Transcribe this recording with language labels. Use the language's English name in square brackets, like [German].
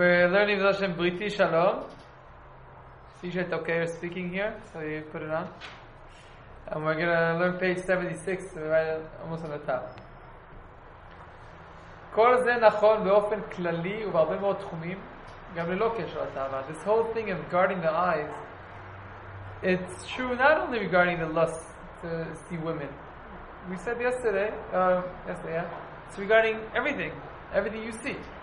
[English] Learn if that's in British, hello. CJ, it's okay, you're speaking here, so you put it on. And we're gonna learn page 76, so we're right almost on the top. [Hebrew] כל זה נכון באופן כללי ובהרבה מאוד תחומים, גם ללא קשר לתאווה. [English] This whole thing of guarding the eyes, it's true not only regarding the lust to see women. We said yesterday, yeah, it's regarding everything, everything you see.